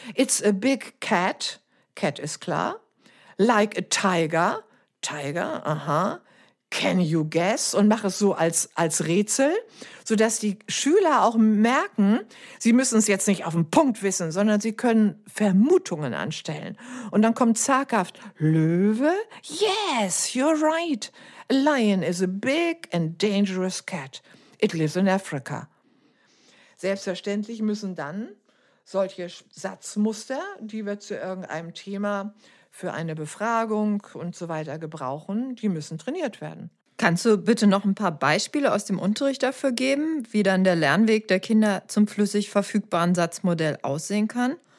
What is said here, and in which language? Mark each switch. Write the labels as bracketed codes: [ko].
[en] It's a big cat. [de] Cat ist klar. [en] Like a tiger. Tiger, aha. Can you guess? [de] Und mache es so als Rätsel, sodass die Schüler auch merken, sie müssen es jetzt nicht auf den Punkt wissen, sondern sie können Vermutungen anstellen. Und dann kommt zaghaft, Löwe? [en] Yes, you're right. A lion is a big and dangerous cat. It lives in Africa. [de] Selbstverständlich müssen dann solche Satzmuster, die wir zu irgendeinem Thema für eine Befragung und so weiter gebrauchen, die müssen trainiert werden. Kannst du bitte noch ein paar Beispiele aus dem Unterricht dafür geben, wie dann der Lernweg der Kinder zum flüssig verfügbaren Satzmodell aussehen kann?